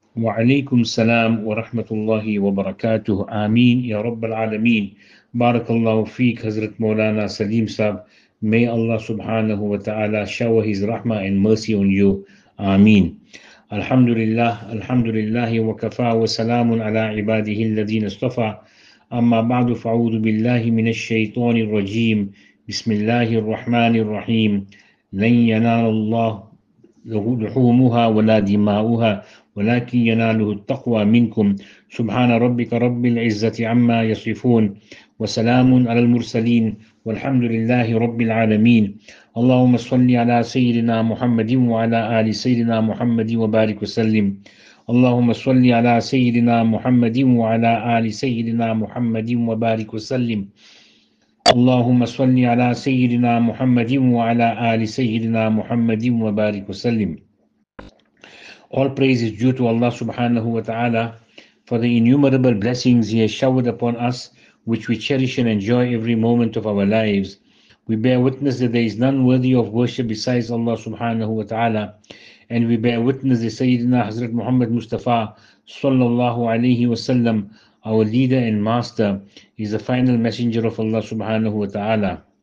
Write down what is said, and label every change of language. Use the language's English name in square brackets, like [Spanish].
[Arabic] وعليكم السلام ورحمة الله وبركاته. آمين يا رب العالمين. بارك الله فيك حضرت مولانا سليم صاحب. [English] May Allah سبحانه وتعالى shower his rahmah and mercy on you. [Arabic] آمين. الحمد لله الحمد لله وكفى وسلام على عباده الذين اصطفى. أما بعد فأعوذ بالله من الشيطان الرجيم. بسم الله الرحمن الرحيم. لن ينال الله لحومها ولا دماؤها ولكن يناله التقوى منكم. سبحان ربك رب العزة عما يصفون وسلام على المرسلين والحمد لله رب العالمين. اللهم صل على سيدنا محمد وعلى آل سيدنا محمد وبارك وسلم. اللهم صل على سيدنا محمد وعلى آل سيدنا محمد وبارك وسلم. اللهم صل على سيدنا محمد وعلى آل سيدنا محمد وبارك وسلم. [English] All praise is due to Allah subhanahu wa ta'ala for the innumerable blessings He has showered upon us, which we cherish and enjoy every moment of our lives. We bear witness that there is none worthy of worship besides Allah subhanahu wa ta'ala. And we bear witness that Sayyidina Hazrat Muhammad Mustafa sallallahu alayhi wa sallam, our leader and master, is the final messenger of Allah subhanahu wa ta'ala.